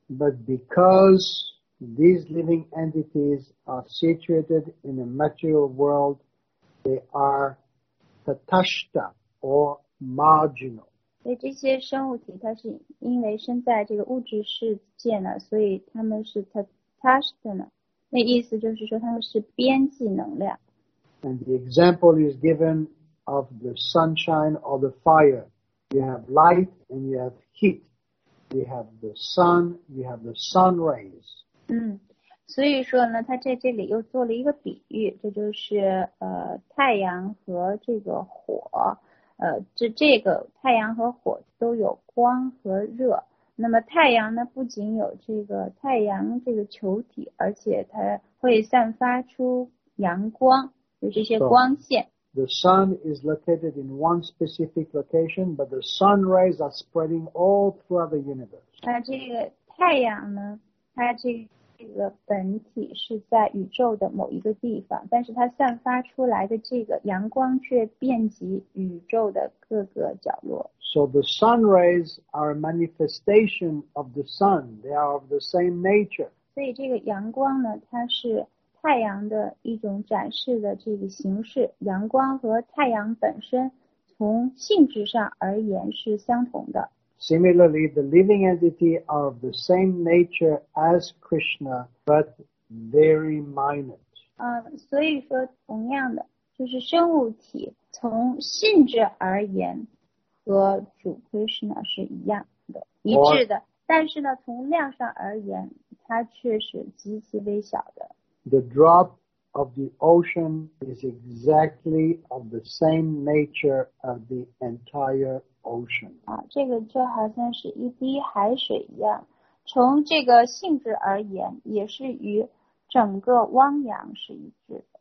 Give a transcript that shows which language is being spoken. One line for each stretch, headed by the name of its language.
English: But because these living entities are situated in a material world, they are tatashta or marginal.
Chinese: 所以这些生物体它是因为身在这个物质世界呢，所以它们是 tatashta 呢，那意思就是说它们是边际能量。
English: And the example is given of the sunshine or the fire. You have light and you have heat. You have the sun, you have the sun rays.
Chinese: 所以说呢，他在这里又做了一个比喻，这就是太阳和这个火，这个太阳和火都有光和热。那么太阳呢，不仅有这个太阳这个球体，而且它会散发出阳光，有这些光线。
English: So, the sun is located in one specific location, but the sun rays are spreading all throughout the universe.
Chinese: 那这个太阳呢？它这个本体是在宇宙的某一个地方，但是它散发出来的这个阳光却遍及宇宙的各个角落。
English: So the sun rays are a manifestation of the sun. They are of the same nature.
Chinese: 所以这个阳光呢，它是太阳的一种展示的这个形式。阳光和太阳本身从性质上而言是相同的。
English: Similarly, the living entity are of the same nature as Krishna, but very minute.
Chinese: 所以说同样的，就是生物体从性质而言和主 Krishna 是一样的，一致的。但是呢，从量上而言，它却是极其微小的。
English: The drop of the ocean is exactly of the same nature as the entire ocean.
Chinese: 这个就好像是一滴海水一样，从这个性质而言，也是与整个汪洋是一致的。